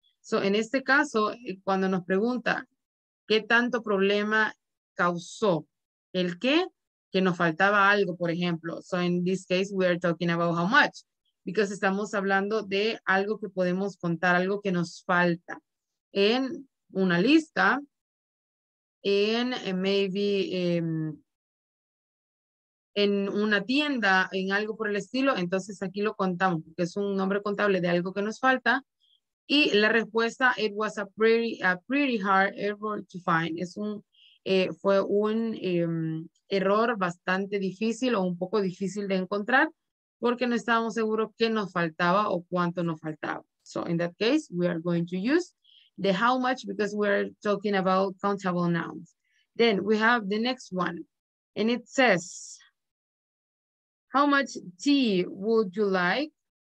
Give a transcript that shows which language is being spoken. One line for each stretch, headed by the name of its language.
Spanish: So in este caso, cuando nos pregunta, ¿qué tanto problema causó? ¿El qué? Que nos faltaba algo, por ejemplo.
English: So in this case, we are talking about how much.
Spanish: Because estamos hablando de algo que podemos contar, algo que nos falta en una lista, en maybe en una tienda, en algo por el estilo. Entonces aquí lo contamos, que es un nombre contable de algo que nos falta. Y la respuesta,
English: it was a pretty hard error to find.
Spanish: Fue un error bastante difícil o un poco difícil de encontrar, porque no estábamos seguros qué nos faltaba o cuánto nos faltaba.
English: So in that case, we are going to use the how much because we're talking about countable nouns. Then we have the next one and it says, how much tea would you like?